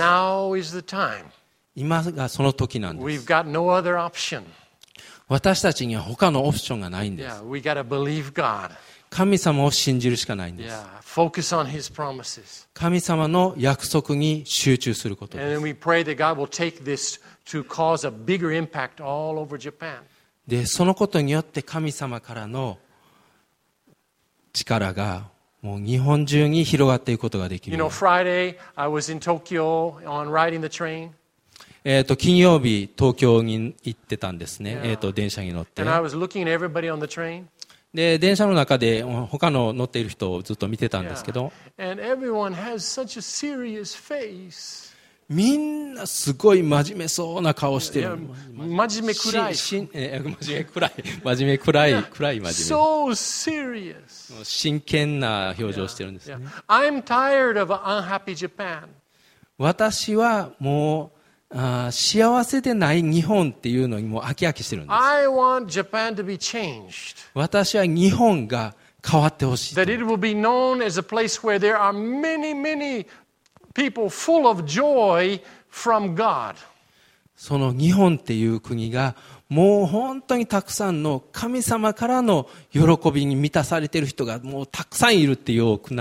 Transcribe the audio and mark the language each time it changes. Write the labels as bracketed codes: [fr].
[en] Now is the time. [ja] 今がその時なんです。 [en] We've got no other option. [ja] 私たちには他のオプションがないんです。 [en] Yeah, we gotta believe God. [ja] 神様を信じるしかないんです。 [en] Focus on his promises. [ja] 神様の約束に集中することです。 [en] And then we pray that God will take this to cause a bigger impact all over Japan. [ja] で、そのことによって神様からの力がもう日本中に広がっていくことができる。 [en] You know, Friday I was in Tokyo on riding the train. [ja] 金曜日東京に行ってたんですね。電車に乗って。 [en] And I was looking at everybody on the train. [ja] で電車の中で他の乗っている人をずっと見てたんですけど、 [en] And everyone has such a serious face. [ja] みんなすごい真面目そうな顔してる。真面目暗い。真面目暗い。真面目暗い。暗い真面目。 [en] So serious. [ja] 真剣な表情してるんですね。 [en] I'm tired of an unhappy Japan. [ja] 私はもう幸せでない日本っていうのにもう飽き飽きしてるんです。 [en] I want Japan to be changed. [ja] 私は日本が変わってほしい。 [en] That it will be known as a place where there are many, many people full of joy from God. [ja] その日本っていう国がもう本当にたくさんの神様からの喜びに満たされている人がもうたくさんいるっていう国。